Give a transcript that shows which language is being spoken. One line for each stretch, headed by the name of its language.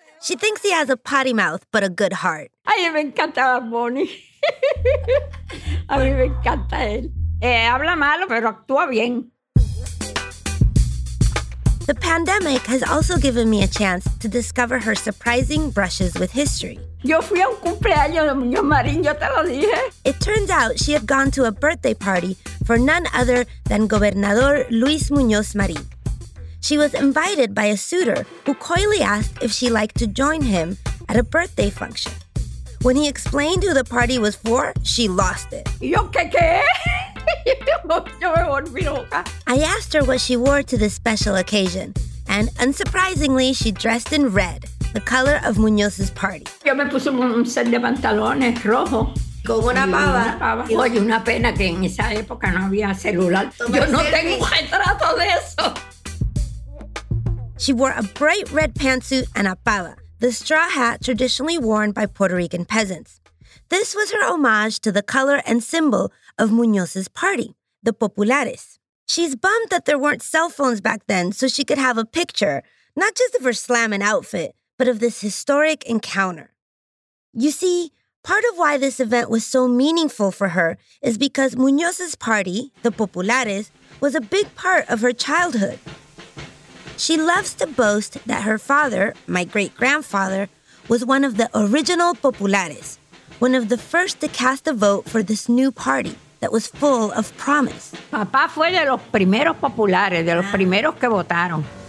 English: She thinks he has a potty mouth, but a good heart.
Spanish: A mí me encanta Bad Bunny. A mí me encanta él. Habla malo, pero actúa bien.
English: The pandemic has also given me a chance to discover her surprising brushes with history.
Spanish: Yo fui a un cumpleaños de Muñoz Marín, yo te lo dije.
English: It turns out she had gone to a birthday party for none other than Gobernador Luis Muñoz Marín. She was invited by a suitor who coyly asked if she liked to join him at a birthday function. When he explained who the party was for, she lost it.
Spanish: Yo qué qué?
English: I asked her what she wore to this special occasion, and unsurprisingly, she dressed in red, the color of Muñoz's party.
Spanish: Yo me puse un set de pantalones rojo. Con una pava. Oye, una pena que en esa época no había celular. Yo no tengo retrato de eso.
English: She wore a bright red pantsuit and a pava, the straw hat traditionally worn by Puerto Rican peasants. This was her homage to the color and symbol of Muñoz's party, the Populares. She's bummed that there weren't cell phones back then so she could have a picture, not just of her slamming outfit, but of this historic encounter. You see, part of why this event was so meaningful for her is because Muñoz's party, the Populares, was a big part of her childhood. She loves to boast that her father, my great-grandfather, was one of the original Populares, one of the first to cast a vote for this new party that was full of promise.
Spanish: Papá fue de los primeros populares, de los primeros que votaron.